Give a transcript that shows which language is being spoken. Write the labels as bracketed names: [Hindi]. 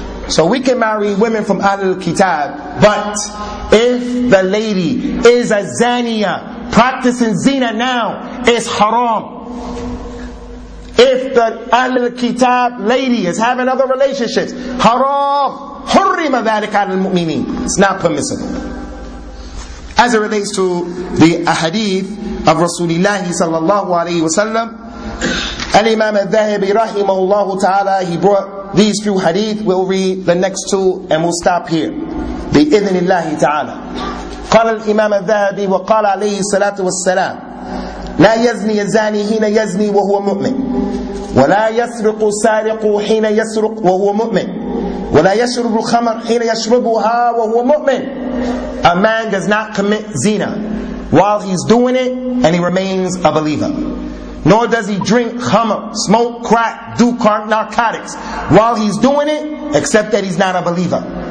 [English] So we can marry women from Ahlul Kitab, but if the lady is a zaniya, practicing zina now, it's haram. If the Ahlul Kitab lady is having other relationships, haram. [Arabic] حُرِّمَ ذَٰلِكَ عَلَى الْمُؤْمِنِينَ [English] It's not permissible. As it relates to the ahadith of Rasulullah sallallahu alayhi wa sallam, Al-Imam al-Dhahibi rahimahullahu ta'ala, he brought these few hadith. We'll read the next two and we'll stop here. [Arabic] Bi-idhnillahi ta'ala. Qala al-Imam al-Dhahibi wa qala alayhi salatu wa salam. لا يزني الزاني حين يزني وهو مؤمن ولا يسرق السارق حين يسرق وهو مؤمن ولا يشرب الخمر حين يشربها وهو مؤمن. [English] A man does not commit zina while he's doing it and he remains a believer. Nor does he drink khamr, smoke crack, do narcotics while he's doing it, except that he's not a believer.